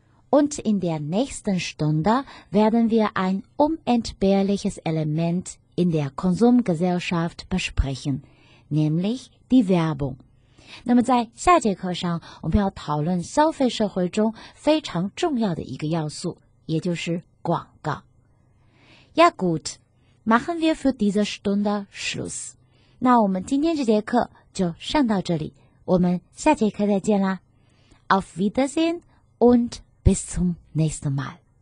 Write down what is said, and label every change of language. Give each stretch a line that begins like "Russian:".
German: Und in der nächsten Stunde werden wir ein unentbehrliches Element in der Konsumgesellschaft besprechen, nämlich die Werbung.
Chinese: 那么在下节课上，我们要讨论消费社会中非常重要的一个要素，也就是广告。
German: Ja gut, machen wir für diese Stunde Schluss.
Chinese: 那我们今天这节课就上到这里，我们下节课再见啦。
German: Auf Wiedersehen und Bis zum nächsten Mal.